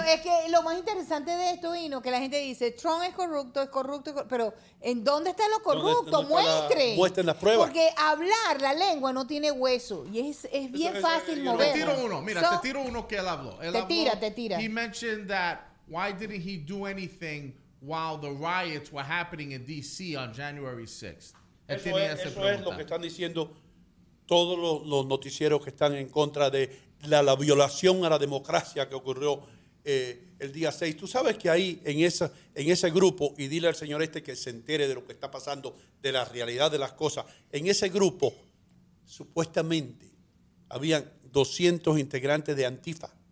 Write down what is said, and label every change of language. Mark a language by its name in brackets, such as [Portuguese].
[Spanish] Pero es que lo más interesante de esto, Hino, que la gente dice, Trump es corrupto, pero ¿en dónde está lo corrupto? Muestren las pruebas. Porque hablar la lengua no tiene hueso y es bien fácil mover. Te tiro uno, mira, te tiro uno que él habló. Te tira. [English] He mentioned that, why didn't he do anything while the riots were happening in D.C. on January 6th? [Spanish] Eso es lo que están diciendo todos los noticieros que están en contra de la violación a la democracia que ocurrió el día 6. Tú sabes que ahí en ese grupo, y dile al señor este que se entere de lo que está pasando, de la realidad de las cosas, en ese grupo supuestamente habían 200 integrantes de Antifa.